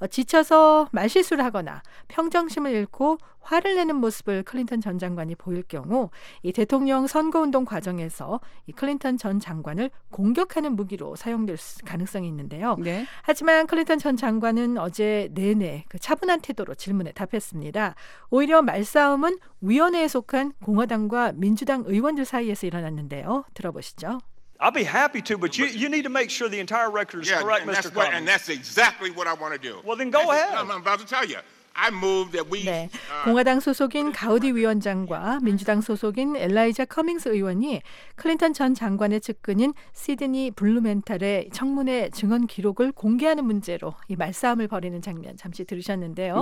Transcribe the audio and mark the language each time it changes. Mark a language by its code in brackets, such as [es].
[ko] 지쳐서 말실수를 하거나 평정심을 잃고 화를 내는 모습을 클린턴 전 장관이 보일 경우 이 대통령 선거운동 과정에서 이 클린턴 전 장관을 공격하는 무기로 사용될 가능성이 있는데요. 네. 하지만 클린턴 전 장관은 어제 내내 그 차분한 태도로 질문에 답했습니다. 오히려 말싸움은 위원회에 속한 공화당과 민주당 의원들 사이에서 일어났는데요. 들어보시죠. [en] I'll be happy to, but you need to make sure the entire record is correct, Mr. Cummings. And that's exactly what I want to do. Well, then go ahead. I'm about to tell you. I move that we, [ko] 네, 공화당 소속인 가우디 위원장과 민주당 소속인 엘라이자 커밍스 의원이 클린턴 전 장관의 측근인 시드니 블루멘탈의 청문회 증언 기록을 공개하는 문제로 이 말싸움을 벌이는 장면 잠시 들으셨는데요.